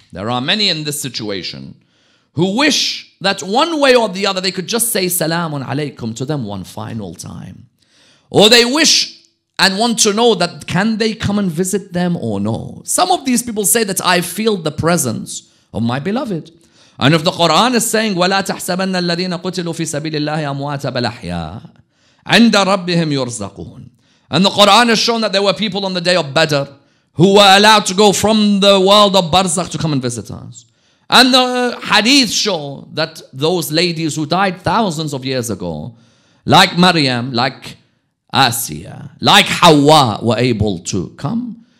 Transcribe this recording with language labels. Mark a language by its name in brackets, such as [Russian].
[English] There are many in this situation who wish that one way or the other they could just say Salamun Alaikum to them one final time. Or they wish and want to know that can they come and visit them or no. Some of these people say that I feel the presence of my beloved. And if the Quran is saying [Arabic] وَلَا تَحْسَبَنَّ الَّذِينَ قُتِلُوا فِي سَبِيلِ اللَّهِ أَمْوَاتَ بَلَحْيَا عِنْدَ رَبِّهِمْ يُرْزَقُونَ. [English] And the Quran has shown that there were people on the day of Badr who were allowed to go from the world of Barzakh to come and visit us. And the hadith show that those ladies who died thousands of years ago, like Maryam, like Asiya, like Hawa, were able to come.